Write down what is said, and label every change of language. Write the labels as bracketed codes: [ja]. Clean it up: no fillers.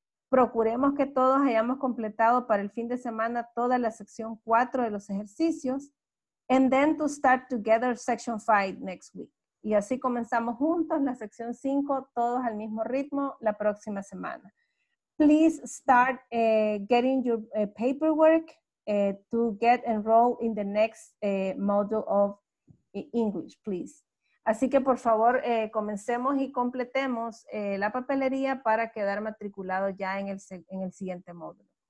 [es] Procuremos que todos hayamos completado para el fin de semana toda la sección 4 de los ejercicios. [en] And then to start together section 5 next week. [es] Y así comenzamos juntos la sección 5, todos al mismo ritmo, la próxima semana. [en] Please start getting your paperwork to get enrolled in the next module of English, please. [es] Así que por favor, comencemos y completemos la papelería para quedar matriculado ya en el siguiente módulo.